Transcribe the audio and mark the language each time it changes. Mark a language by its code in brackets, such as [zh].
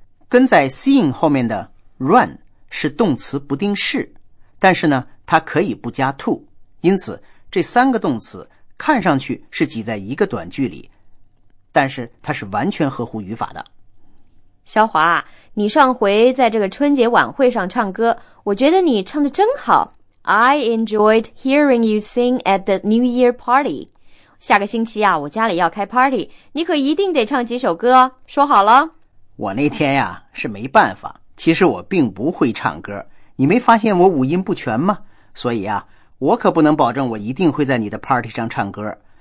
[zh] 跟在 seeing 后面的 run 是动词不定式，但是呢它可以不加 to。因此这三个动词看上去是挤在一个短句里，但是它是完全合乎语法的。肖华，你上回在这个春节晚会上唱歌，我觉得你唱得真好。 [en] I enjoyed hearing you sing at the New Year party. [zh] 下个星期啊，我家里要开 party， 你可一定得唱几首歌，说好了。我那天呀，是没办法，其实我并不会唱歌，你没发现我五音不全吗？所以啊，我可不能保证我一定会在你的 party 上唱歌。